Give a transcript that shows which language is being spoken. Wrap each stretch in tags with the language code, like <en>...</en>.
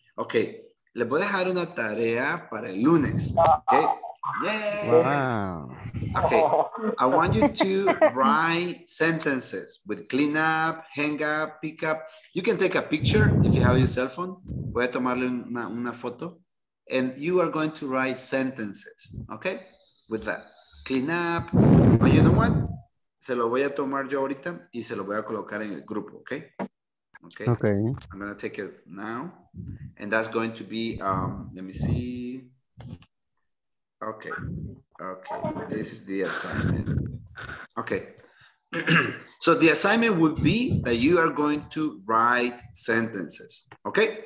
<es>Okay, les voy a dejar una tarea para el lunes.</es> <en>Okay, yes. Wow. Okay, I want you to write sentences with clean up, hang up, pick up. You can take a picture if you have your cell phone.</en> <es>Voy a tomarle una foto.</es> <en>And you are going to write sentences, okay, with that. Clean up. Oh, you know what?</en> <es>Se lo voy a tomar yo ahorita y se lo voy a colocar en el grupo, okay?</es> <en>Okay. Okay. I'm going to take it now. And that's going to be, let me see. Okay. This is the assignment. Okay. So the assignment would be that you are going to write sentences, okay?</en>